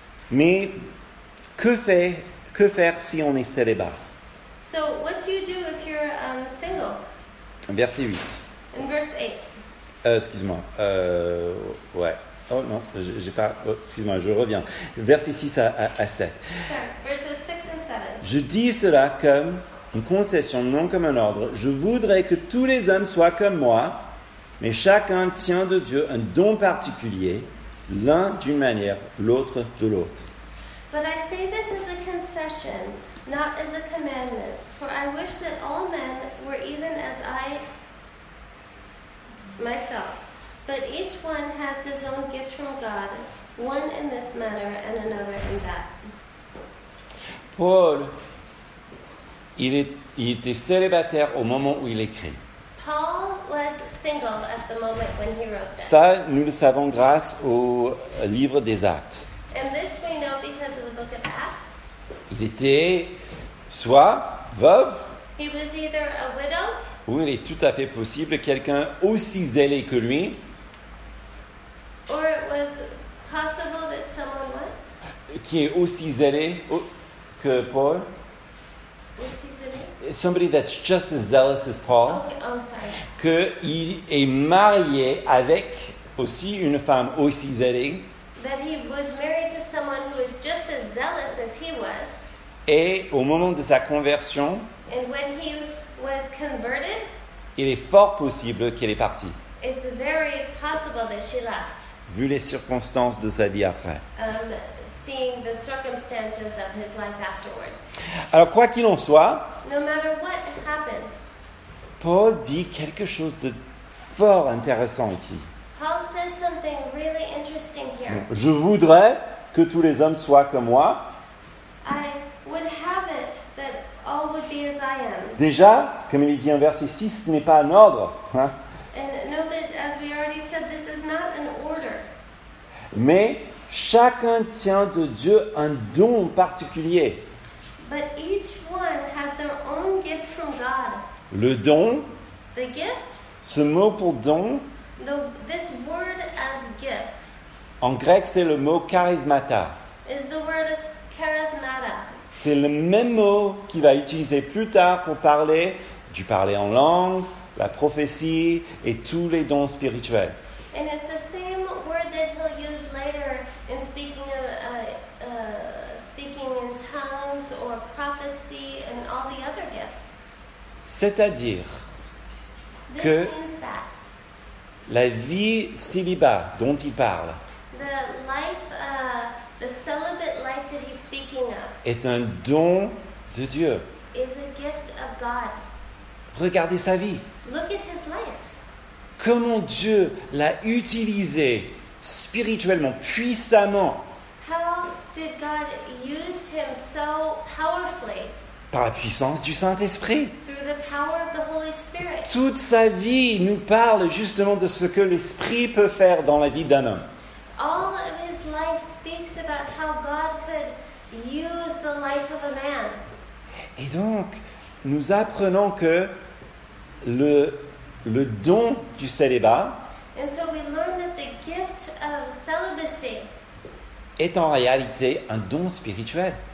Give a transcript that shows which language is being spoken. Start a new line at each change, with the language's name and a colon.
French: Mais que faire si on est célibat?
English: So, what do you do if you're single?
French: Verset 8.
English: In verse 8.
French: Excuse-moi. Ouais. Oh non, j'ai pas. Oh, excuse-moi, je reviens. Verset 6 à 7.
English: Sorry, verses 6 and 7.
French: Je dis cela comme une concession, non comme un ordre. Je voudrais que tous les hommes soient comme moi, mais chacun tient de Dieu un don particulier. L'un d'une manière, l'autre de l'autre.
English: But I say this as a concession, not as a commandment. For I wish that all men were even as I myself. But each one has his own gift from God, one in this manner and another in that.
French: Paul, il était célibataire au moment où il écrit.
English: Paul was single at the moment when he wrote this.
French: Ça, nous le savons grâce au livre des Actes.
English: And this we know because of the book of Acts.
French: Il était soit veuve.
English: He was either a widow.
French: Ou il est tout à fait possible quelqu'un aussi zélé que lui.
English: Or it was possible that someone what?
French: Qui est aussi zélé que Paul. Aussi zélé.
English: Somebody that's just as zealous as Paul, okay. Oh, sorry.
French: Que il est marié avec aussi une femme aussi zélée.
English: That he was married to someone who is just as zealous as he was.
French: Et au moment de sa conversion,
English: and when he was converted,
French: il est fort possible qu'elle est partie.
English: It's very possible that she left.
French: Vu les circonstances de sa vie après.
English: Seeing the circumstances of his life afterwards.
French: Alors quoi qu'il en soit,
English: no matter what happened,
French: Paul dit quelque chose de fort intéressant ici.
English: Paul says something really interesting here.
French: Je voudrais que tous les hommes soient comme moi.
English: I would have it that all would be as I am.
French: Déjà, comme il dit en verset 6, ce n'est pas un ordre.
English: And know that, as we already said, this is not an order.
French: Mais chacun tient de Dieu un don particulier.
English: But each one has their own gift from God.
French: Le don.
English: The gift.
French: Ce mot pour don.
English: This word as gift.
French: En grec, c'est le mot charismata.
English: Is the word charismata.
French: C'est le même mot qu'il va utiliser plus tard pour parler du parler en langue, la prophétie et tous les dons spirituels.
English: And it's the same word that he'll use later in speaking of speaking in tongues or prophecy and all the other gifts.
French: C'est-à-dire que
English: means that
French: la vie célibat dont il parle,
English: the life, the celibate life that he's speaking of,
French: est un don de Dieu.
English: Is a gift of God.
French: Regardez sa vie.
English: Look at his life.
French: Comment Dieu l'a utilisé spirituellement, puissamment.
English: How did God use him so powerfully?
French: Par la puissance du Saint-Esprit.
English: Through the power of the Holy Spirit.
French: Toute sa vie nous parle justement de ce que l'Esprit peut faire dans la vie d'un homme.
English: All of his life speaks about how God could use the life of a man.
French: Et donc, nous apprenons que le don du célibat,
English: and so we learn that the gift of celibacy
French: est en réalité un don spirituel.